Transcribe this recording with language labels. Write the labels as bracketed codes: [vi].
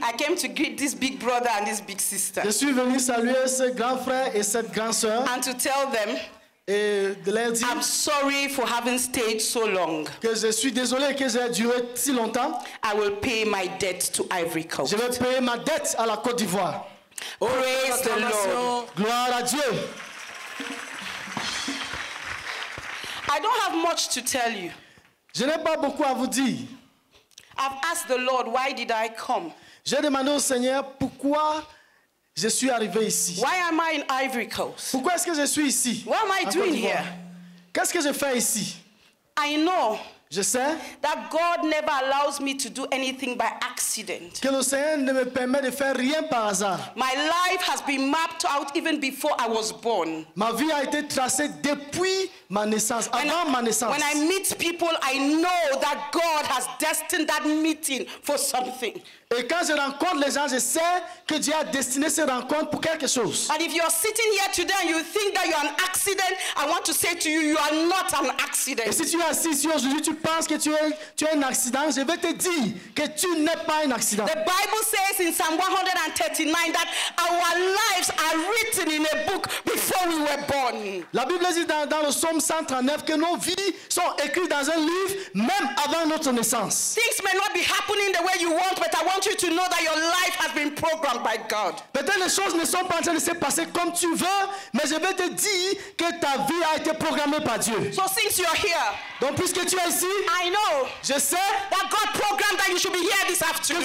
[en] I came to greet this big brother and this big sister. [fr] Je suis venu saluer ce grand frère et cette grande sœur. [en] And to tell them, I'm sorry for having stayed so long. [fr] Que je suis désolé que j'ai duré si longtemps. [en] I will pay my debt to Ivory Coast. [fr] Je vais payer ma dette à la Côte d'Ivoire. [en] Praise the Lord. [fr] Gloire à Dieu. [en] I don't have much to tell you. [fr] Je n'ai pas beaucoup à vous dire. [en] I've asked the Lord, why did I come? [fr] J'ai demandé au Seigneur pourquoi je suis arrivé ici. [en] Why am I in Ivory Coast? [fr] Pourquoi est-ce que je suis ici? [en] What am I doing here? [fr] Qu'est-ce que je fais ici? [en] I know. [fr] Je sais. [en] That God never allows me to do anything by accident. [fr] Que le Seigneur ne me permet de faire rien par hasard. [en] My life has been mapped out even before I was born. [fr] Ma vie a été tracée depuis ma naissance, avant ma naissance. [en] When I meet people, I know that God has destined that meeting for something. [fr] Et quand je rencontre les gens, je sais que Dieu a destiné ces rencontres pour quelque chose. [en] And if you are sitting here today and you think that you are an accident, I want to say to you, you are not an accident. [fr] Et si tu es assis ici aujourd'hui, tu penses que tu es un accident, je vais te dire que tu n'es pas un accident. [en] The Bible says in Psalm 139 that our lives are written in a book before we were born. [fr] La Bible dit dans le Psaume 139 que nos vies sont écrites dans un livre même avant notre naissance. [en] Things may not be happening the way you want, but I want you to know that your life has been programmed by God. [fr] Peut-être les choses ne sont pas en train de se passer comme tu veux, mais je vais te dire que ta vie a été programmée par Dieu. [en] So since you are here, [fr] donc puisque tu es ici, [en] I know. [fr] Je sais [en] that God programmed that you should be here this afternoon.